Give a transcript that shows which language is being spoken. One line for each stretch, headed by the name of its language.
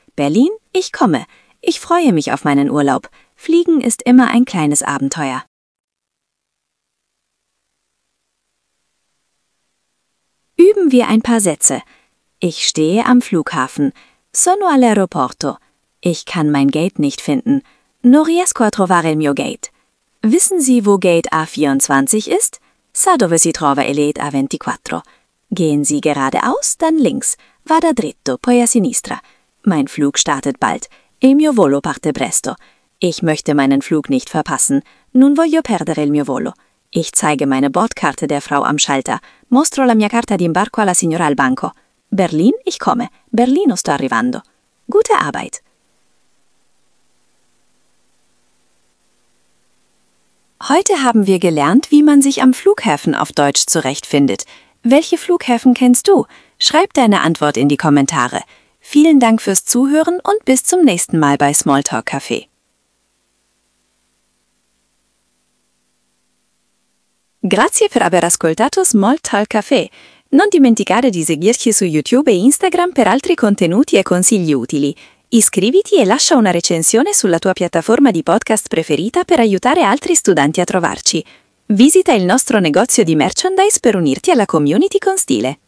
German: Berlin, ich komme. Ich freue mich auf meinen Urlaub. Fliegen ist immer ein kleines Abenteuer. Üben wir ein paar Sätze. Ich stehe am Flughafen.
Italian: Sono all'aeroporto.
German: Ich kann mein Gate nicht finden.
Italian: Non riesco a trovare il mio gate.
German: Wissen Sie, wo Gate A24 ist?
Italian: Sa dove si trova il gate A24.
German: Gehen Sie geradeaus, dann links.
Italian: Vada dritto, poi a sinistra.
German: Mein Flug startet bald.
Italian: Il mio volo parte presto.
German: Ich möchte meinen Flug nicht verpassen.
Italian: Non voglio perdere il mio volo.
German: Ich zeige meine Bordkarte der Frau am Schalter.
Italian: Mostro la mia carta d'imbarco alla signora al banco.
German: Berlin, ich komme.
Italian: Berlino sto arrivando.
German: Gute Arbeit. Heute haben wir gelernt, wie man sich am Flughafen auf Deutsch zurechtfindet. Welche Flughäfen kennst du? Schreib deine Antwort in die Kommentare. Vielen Dank fürs Zuhören und bis zum nächsten Mal bei Smalltalk Café.
Italian: Grazie per aver ascoltato Smalltalk Café. Non dimenticare di seguirci su YouTube e Instagram per altri contenuti e consigli utili. Iscriviti e lascia una recensione sulla tua piattaforma di podcast preferita per aiutare altri studenti a trovarci. Visita il nostro negozio di merchandise per unirti alla community con stile.